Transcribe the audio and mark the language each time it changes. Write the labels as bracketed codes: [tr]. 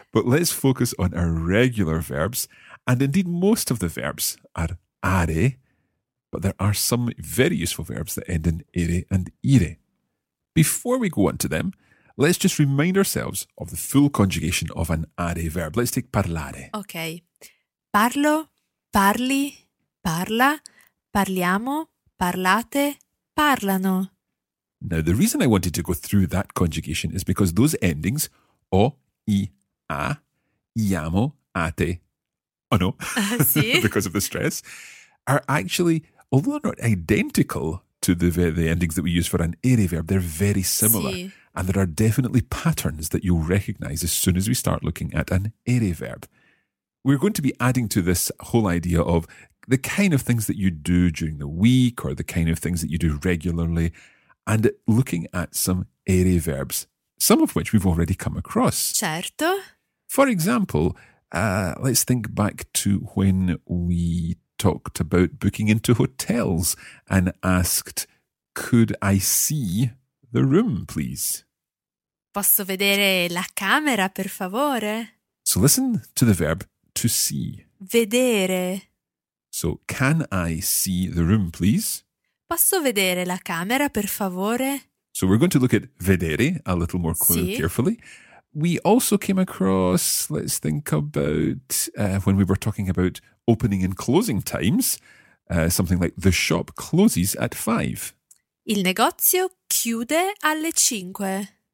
[en] But let's focus on irregular verbs. And indeed, most of the verbs are are, but there are some very useful verbs that end in ere and ire. Before we go on to them, let's just remind ourselves of the full conjugation of an are verb. Let's take parlare. Okay. [it] Parlo, parli, parla, parliamo, parlate, parlano. [en] Now, the reason I wanted to go through that conjugation is because those endings, o, i, a, iamo, ate, oh no, because of the stress, are actually, although they're not identical to the endings that we use for an ere verb, they're very similar. [it] Sì. [en] And there are definitely patterns that you'll recognize as soon as we start looking at an ere verb. We're going to be adding to this whole idea of the kind of things that you do during the week or the kind of things that you do regularly and looking at some ere verbs, some of which we've already come across. [it] Certo. [en] For example, let's think back to when we talked about booking into hotels and asked, could I see the room, please? [it] Posso vedere la camera, per favore? [en] So listen to the verb to see. [it] Vedere. [en] So, can I see the room, please? [it] Posso vedere la camera, per favore? [en] So we're going to look at vedere a little more carefully. We also came across, let's think about when we were talking about opening and closing times, something like the shop closes at 5. [it] Il negozio chiude alle 5.